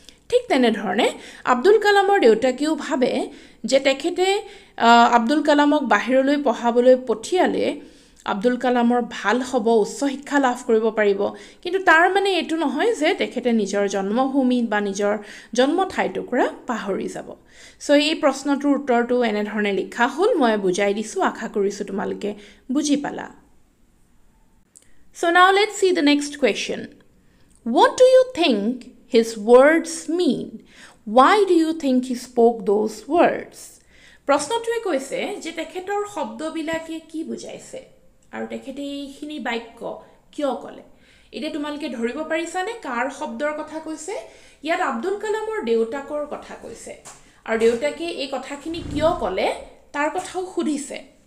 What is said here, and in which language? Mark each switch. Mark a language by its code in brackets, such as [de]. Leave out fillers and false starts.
[as] ঠিক তেনেধৰণে আব্দুল কালামৰ দেউতাকেও ভাবে যে তেখেতে আব্দুল কালামক বাহিৰলৈ পঢ়াবলৈ পঠিয়ালে আব্দুল কালামৰ ভাল হ'ব, উচ্চ শিক্ষা লাভ কৰিব পাৰিব, কিন্তু তাৰ মানে এইটো নহয় যে তেখেতে নিজৰ জন্মভূমি বা নিজৰ জন্ম ঠাইটুকুৰা পাহৰি যাব। চ' এই প্ৰশ্নটোৰ উত্তৰটো এনেধৰণে লিখা হ'ল, মই বুজাই দিছোঁ, আশা কৰিছোঁ তোমালোকে বুজি পালা। [en] So now let's see the next question. What do you think his words mean? Why do you think he spoke those words? [as] প্ৰশ্নটোৱে কৈছে যে তেখেতৰ শব্দবিলাকে কি বুজাইছে আৰু তেখেতে এইখিনি বাক্য কিয় ক'লে। এতিয়া তোমালোকে ধৰিব পাৰিছানে কাৰ শব্দৰ কথা কৈছে? ইয়াত আব্দুল কালামৰ দেউতাকৰ কথা কৈছে, আৰু দেউতাকে এই কথাখিনি কিয় ক'লে তাৰ কথাও সুধিছে।